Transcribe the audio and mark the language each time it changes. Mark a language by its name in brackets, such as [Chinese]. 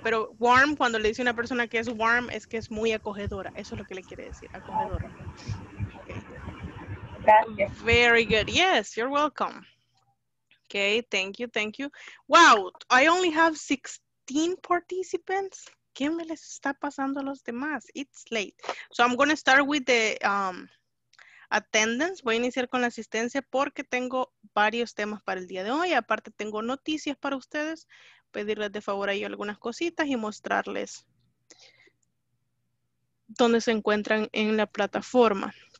[Spanish] Pero warm, cuando le dice a una persona que es warm, es que es muy acogedora. Eso es lo que le quiere decir, acogedora. [English] Very good. Yes, you're welcome. Okay, thank you, thank you. Wow, I only have 16 participants. [Spanish] ¿Qué me les está pasando a los demás? [English] It's late. So I'm going to start with the attendance. [Spanish] Voy a iniciar con la asistencia porque tengo varios temas para el día de hoy. Aparte, tengo noticias para ustedes. Pedirles de favor ahí algunas cositas y mostrarles dónde se encuentran en la plataforma.